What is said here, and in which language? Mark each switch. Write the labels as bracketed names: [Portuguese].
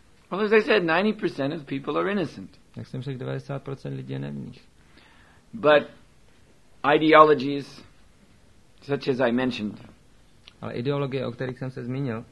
[English] Well, as I said, 90% of people are innocent. [Czech] Jak jsem řekl, 90% lidí je nevinných. [English] But ideologies such as I mentioned. [Czech] Ale ideologie, o kterých jsem se zmínil.